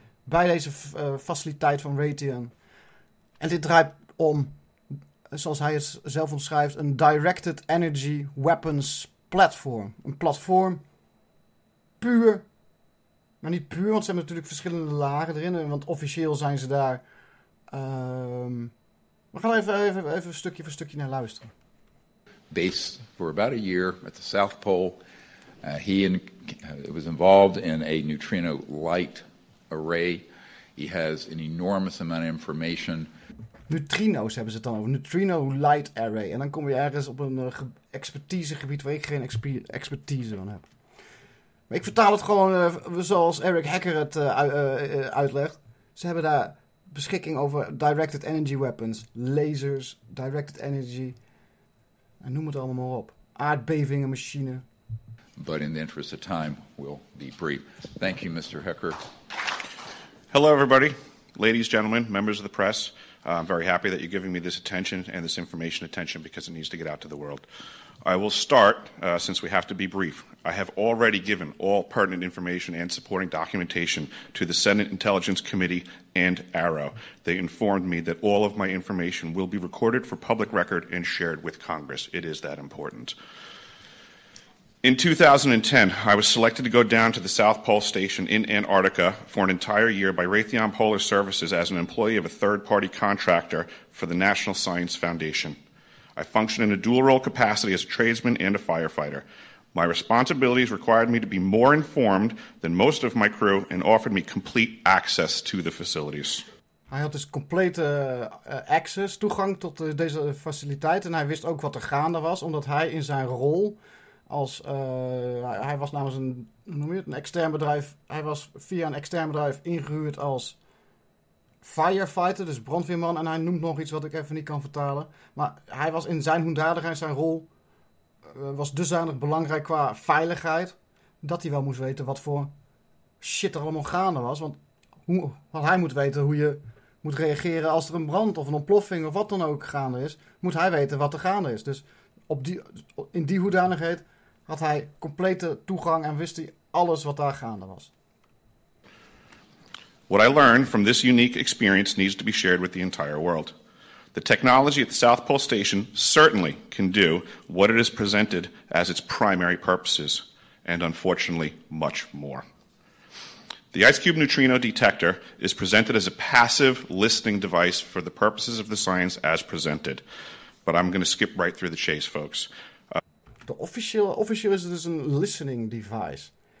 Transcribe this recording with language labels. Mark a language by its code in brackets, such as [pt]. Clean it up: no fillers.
[nl] Bij deze faciliteit van Raytheon. En dit draait om, zoals hij het zelf omschrijft, een directed energy weapons platform. Een platform puur, maar niet puur, want ze hebben natuurlijk verschillende lagen erin, want officieel zijn ze daar. We gaan even stukje voor stukje naar luisteren. [en] Based for about a year at the South Pole. He was involved in a neutrino light array. He has an enormous amount of information. [nl] Neutrino's hebben ze het dan over. Neutrino light array. En dan kom je ergens op een expertisegebied waar ik geen expertise van heb. Maar ik vertaal het gewoon zoals Eric Hecker het uitlegt. Ze hebben daar beschikking over directed energy weapons. Lasers, directed energy. En noem het allemaal maar op. Aardbevingen machine. [en] But in the interest of time, we'll be brief. Thank you, Mr. Hecker. Hello, everybody. Ladies, gentlemen, members of the press. I'm very happy that you're giving me this attention and this information attention because it needs to get out to the world. I will start, since we have to be brief. I have already given all pertinent information and supporting documentation to the Senate Intelligence Committee and ARRO. They informed me that all of my information will be recorded for public record and shared with Congress. It is that important. In 2010, I was selected to go down to the South Pole Station in Antarctica for an entire year by Raytheon Polar Services as an employee of a third-party contractor for the National Science Foundation. I function in a dual-role capacity as a tradesman and a firefighter. My responsibilities required me to be more informed than most of my crew and offered me complete access to the facilities. [nl] Hij had dus [en] complete access, [nl] toegang tot deze faciliteit. En hij wist ook wat er gaande was, omdat hij in zijn rol als hij was namens een, hoe noem je het, een extern bedrijf. Hij was via een extern bedrijf ingehuurd als firefighter, dus brandweerman. En hij noemt nog iets wat ik even niet kan vertalen. Maar hij was in zijn hoedanigheid zijn rol was dusdanig belangrijk qua veiligheid dat hij wel moest weten wat voor shit er allemaal gaande was. Want hij moet weten hoe je moet reageren als er een brand of een ontploffing of wat dan ook gaande is. Moet hij weten wat er gaande is. Dus in die hoedanigheid had hij complete toegang en wist hij alles wat daar gaande was. [en] What I learned from this unique experience needs to be shared with the entire world. The technology at the South Pole Station certainly can do what it is presented as its primary purposes, and unfortunately, much more. The IceCube neutrino detector is presented as a passive listening device for the purposes of the science as presented. But I'm going to skip right through the chase, folks. [nl] Officieel is het dus een listening device.